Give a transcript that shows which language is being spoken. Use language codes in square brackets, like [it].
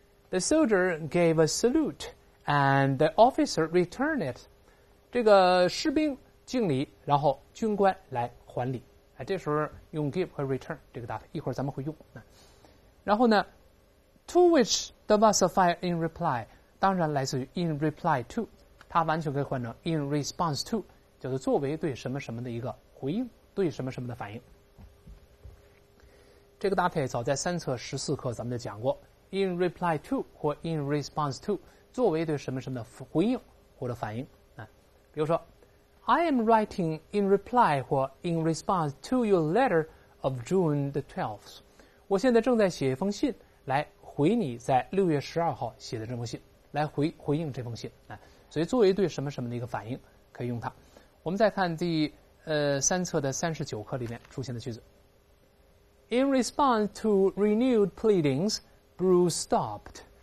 [en] The soldier gave a saluteAnd the officer returned it. [zh] 这个士兵敬礼，然后军官来还礼。这时候用 give 和 return 这个搭配，一会儿咱们会用。然后呢 , [en] to which the vassal fired in reply, [zh] 当然来自于 [en] in reply to, [zh] 它完全可以换成 [en] in response to, [zh] 就是作为对什么什么的一个回应，对什么什么的反应。这个搭配早在三册十四课咱们就讲过 , [en] in reply to [zh] 或 [en] in response to, [zh] 作为对什么什么的回应或者反应。比如说 [en] I am writing in reply or in response to your letter of June the 12th. [zh] 我现在正在写一封信来回你在6月12号写的这封信，来回应这封信。所以作为对什么什么的一个反应可以用它。我们再看第三册的39课里面出现的句子。 [en] In response to renewed pleadings, Bruce stopped.